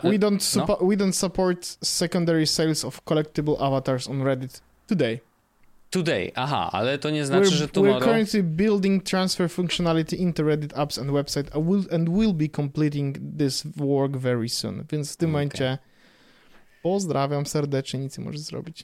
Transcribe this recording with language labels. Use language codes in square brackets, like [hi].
[en] We don't support secondary sales of collectible avatars on Reddit today. [pl] Today, aha, ale to nie znaczy, że tomorrow... [en] We're currently building transfer functionality into Reddit apps and website and we'll be completing this work very soon. [pl] Więc w tym okay. momencie pozdrawiam serdecznie, nic nie możesz zrobić.